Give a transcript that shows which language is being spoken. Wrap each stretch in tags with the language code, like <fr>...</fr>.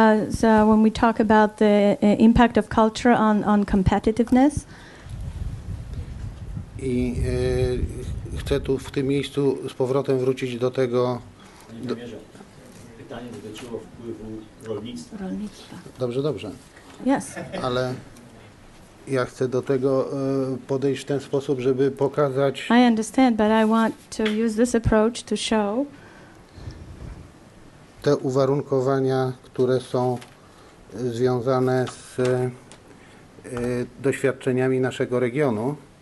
<en>So when we talk about the impact of culture on competitiveness.</en> <pl>I chcę tu w tym miejscu z powrotem wrócić do tego. Pytanie dotyczyło wpływu rolnictwa. Dobrze.</pl> <en>Yes.</en> <pl>Ale ja chcę do tego podejść w ten sposób, żeby pokazać.</pl> <en>I understand, but I want to use this approach to show</en> <pl>te uwarunkowania, które są związane z doświadczeniami naszego regionu.</pl>